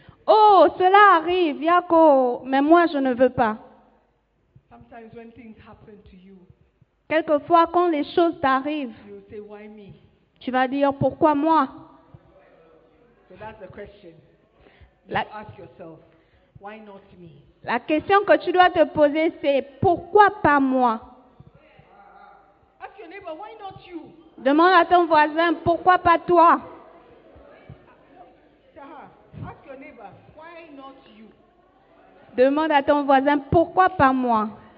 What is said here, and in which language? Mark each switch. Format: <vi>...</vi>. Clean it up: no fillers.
<fr>Oh, cela arrive, Yako, mais moi je ne veux pas.</fr> <en>Sometimes when things happen to you,</en> <fr>quelquefois quand les choses t'arrivent,</fr> <en>you say, why me?</en> <fr>Tu vas dire pourquoi moi?</fr> <en>So that's the question. You ask yourself, why not me?</en> <fr>La question que tu dois te poser, c'est pourquoi pas moi?</fr> <en>Ask your neighbor, why not you?</en> <fr>Demande à ton voisin, pourquoi pas toi?</fr> <en>Ask your neighbor, why not you?</en> <fr>Demande à ton voisin, pourquoi pas moi?</fr>